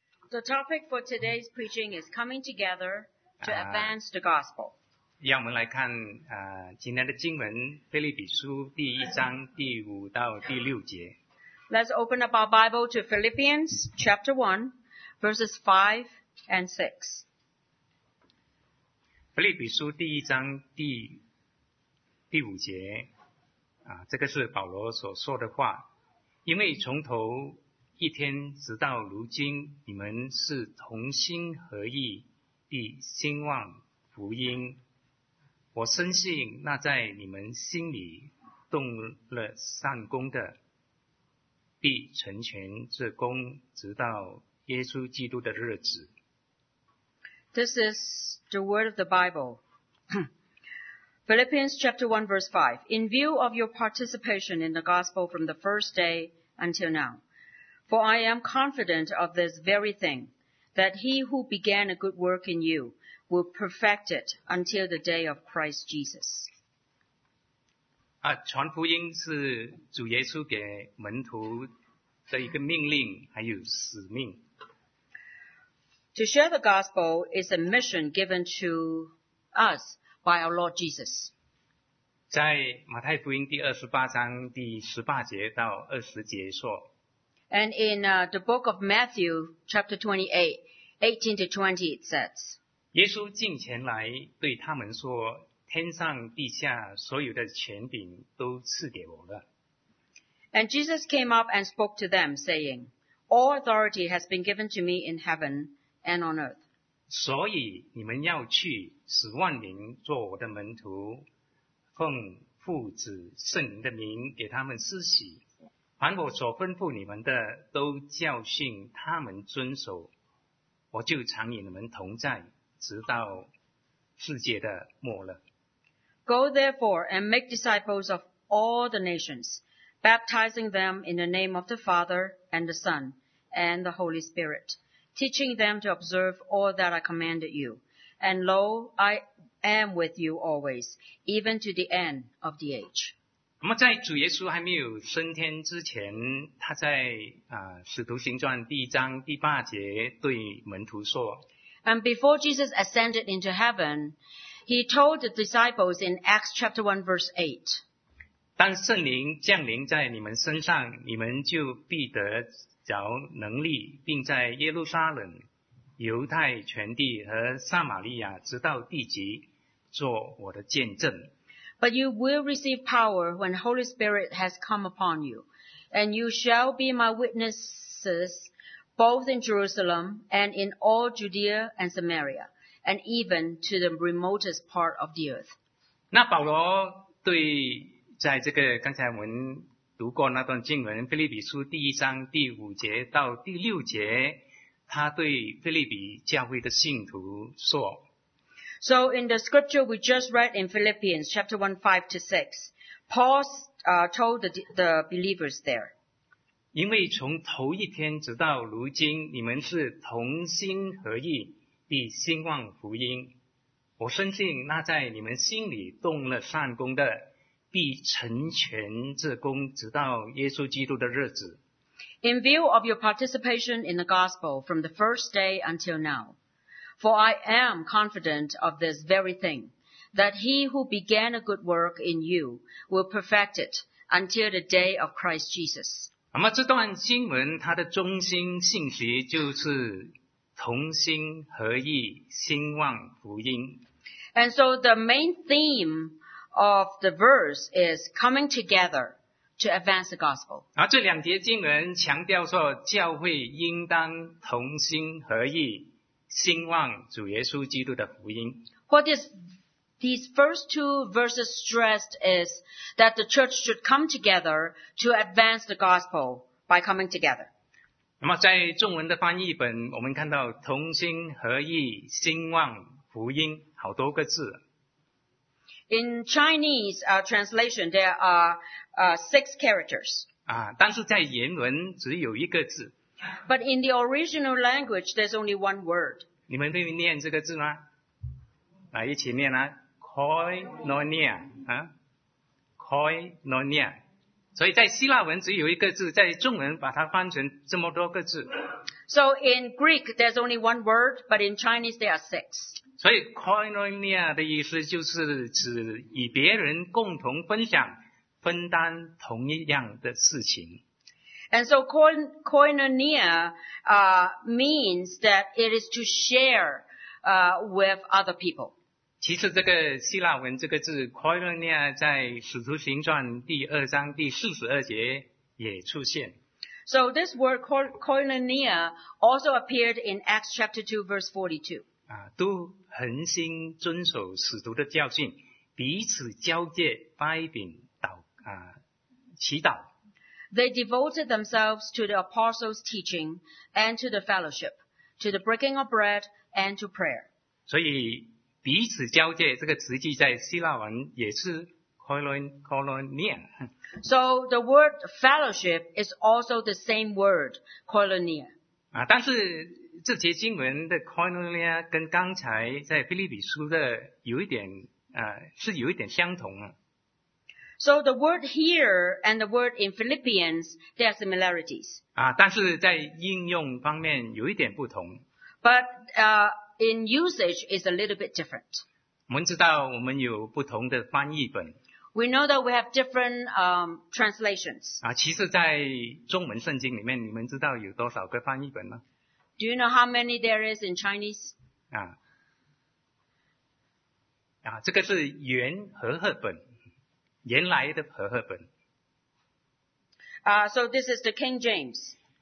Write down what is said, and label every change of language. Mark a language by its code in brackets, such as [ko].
[en] The topic for today's preaching is coming together to advance the gospel. [zh] 让我们来看今天的经文，腓立比书第一章第五到第六节。 [en] Let's open up our Bible to Philippians chapter 1, verses 5 and 6. [zh] 腓立比书第一章第五节这个是保罗所说的话。因为从头一天直到如今，你们是同心合意地兴旺福音。我深信那在你们心里动了善功的，必成全这功，直到耶稣基督的日子。 [en] This is the word of the Bible. Philippians chapter 1 verse 5. In view of your participation in the gospel from the first day until now, for I am confident of this very thing, that he who began a good work in you will perfect it until the day of Christ Jesus. [zh] 传福音是主耶稣给门徒的一个命令，还有使命。 [en] To share the gospel is a mission given to us by our Lord Jesus. [zh] 在马太福音第二十八章第十八节到二十节说。 [en] And in the book of Matthew, chapter 28, 18 to 20, it says, [zh] 耶稣近前来对他们说，天上地下所有的权柄都赐给我了。 [en] And Jesus came up and spoke to them, saying, All authority has been given to me in heaven and on earth. [zh] 所以你们要去，使万民做我的门徒，奉父子圣灵的名给他们施洗。凡我所吩咐你们的，都教训他们遵守，我就常与你们同在，直到世界的末了。 [en] Go therefore and make disciples of all the nations, baptizing them in the name of the Father and the Son and the Holy Spirit, teaching them to observe all that I commanded you. And lo, I am with you always, even to the end of the age. [zh] 那么在主耶稣还没有升天之前，他在使徒行传第一章第八节对门徒说。 [en] And before Jesus ascended into heaven, he told the disciples in Acts chapter 1 verse 8. [zh] 当圣灵降临在你们身上，你们就必得着能力，并在耶路撒冷、犹太全地和撒玛利亚直到地极做我的见证。 [en] But you will receive power when the Holy Spirit has come upon you, and you shall be my witnesses both in Jerusalem and in all Judea and Samaria, and even to the remotest part of the earth. [zh] 那保罗对在这个刚才我们读过那段经文，腓立比书第一章第五节到第六节，他对腓立比教会的信徒说。 [en] So in the scripture we just read in Philippians chapter 1, 5 to 6, Paul told the believers there. [zh] 因为从头一天直到如今，你们是同心合意地兴旺福音。我深信那在你们心里动了善功的，必成全这功，直到耶稣基督的日子。 [en] In view of your participation in the gospel from the first day until now,For I am confident of this very thing, that he who began a good work in you will perfect it until the day of Christ Jesus. [zh] 那么这段经文它的中心信息就是同心合意兴旺福音。 [en] And so the main theme of the verse is coming together to advance the gospel. [zh] 这两节经文强调说教会应当同心合意兴旺主耶稣基督的福音。 [en] What is these first two verses stressed is that the church should come together to advance the gospel by coming together. [zh] 那么在中文的翻译本，我们看到同心合意兴旺福音好多个字。 [en] In Chinese translation, there are six characters. [zh] 但是在原文只有一个字。 [en] But in the original language, there's only one word. [zh] 你们会念这个字吗？来，一起念啊 ，koinonia 啊 ，koinonia。所以在希腊文只有一个字，在中文把它翻成这么多个字。 [en] So in Greek, there's only one word, but in Chinese, there are six. [zh] 所以 koinonia 的意思就是指与别人共同分享、分担同一样的事情。 [en] And so koinonia means that it is to share with other people. [zh] 其实这个希腊文这个字 koinonia 在《使徒行传》第二章第四十二节也出现。 [en] So this word koinonia also appeared in Acts chapter 2 verse 42. [zh] 都恒心遵守使徒的教训，彼此交接，掰饼祷啊祈祷。 [en] They devoted themselves to the apostles' teaching and to the fellowship, to the breaking of bread and to prayer. [zh] 所以彼此交接这个词句在希腊文也是 koinonia。 [en] So the word fellowship is also the same word, koinonia. [zh] 啊，但是这节经文的 koinonia 跟刚才在腓立比书的有一点是有一点相同啊。 [en] So the word here and the word in Philippians, there are similarities. [zh] 啊，但是在应用方面有一点不同。 [en] But in usage is a little bit different. [zh] 我们知道我们有不同的翻译本。 [en] We know that we have different translations. [zh] 啊，其实在中文圣经里面，你们知道有多少个翻译本吗？ [en] Do you know how many there is in Chinese? [zh] 啊，这个是原和合本，原来的和合本。 [en] So this is the King James.